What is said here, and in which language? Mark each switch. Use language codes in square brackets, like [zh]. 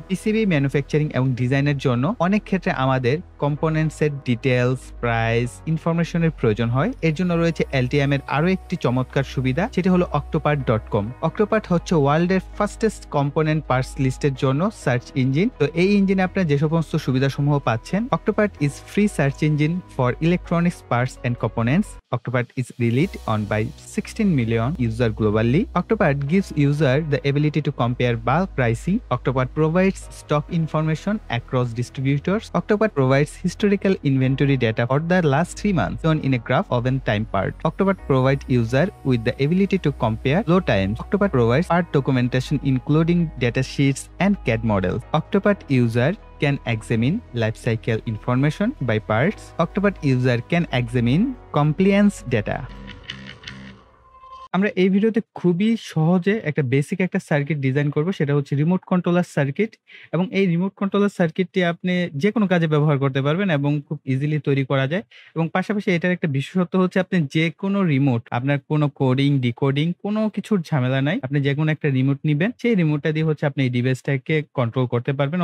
[bn] PCB manufacturing এবং ডিজাইনের জন্য অনেক ক্ষেত্রে আমাদের কম্পোনেন্টস এর ডিটেলস, প্রাইস, ইনফরমেশন এর প্রয়োজন হয়। এর জন্য রয়েছে LTM এর আরো একটি চমৎকার সুবিধা, সেটি হলো octopart.com। octopart হচ্ছে ওয়ার্ল্ড এর ফাস্টেস্ট কম্পোনেন্ট পার্টস লিস্টের জন্য সার্চ ইঞ্জিন। তো এই ইঞ্জিনে আপনার যে সমস্ত সুবিধা সমূহ পাচ্ছেন, [en] octopart is free search engine for electronics parts and components. octopart is relied on by 16 million users globally. octopart gives users the ability to compare bulk pricing. octopart provides stock information across distributors. octopart provides historical inventory data for the last 3 months shown in a graph of a time part. octopart provides users with the ability to compare flow times. octopart provides part documentation including data sheets and CAD models. octopart user can examine life cycle information by parts. octopart user can examine compliance data. [bn] আমরা এই ভিডিওতে খুবই সহজে একটা basic একটা circuit design করব, সেটা হচ্ছে রিমোট কন্ট্রোলার সার্কিট। এবং এই রিমোট কন্ট্রোলার সার্কিটটি আপনি যে কোনো কাজে ব্যবহার করতে পারবেন এবং খুব ইজিলি তৈরি করা যায়। এবং পাশাপাশি এটার একটা বিশেষত্ব হচ্ছে, আপনি যে কোনো রিমোট, আপনার কোনো কোডিং, ডিকোডিং, কোনো কিছুর ঝামেলা নাই, আপনি যে কোনো একটা রিমোট নিবেন, সেই রিমোটটা দিয়ে হচ্ছে আপনি এই ডিভাইসটাকে কন্ট্রোল করতে পারবেন।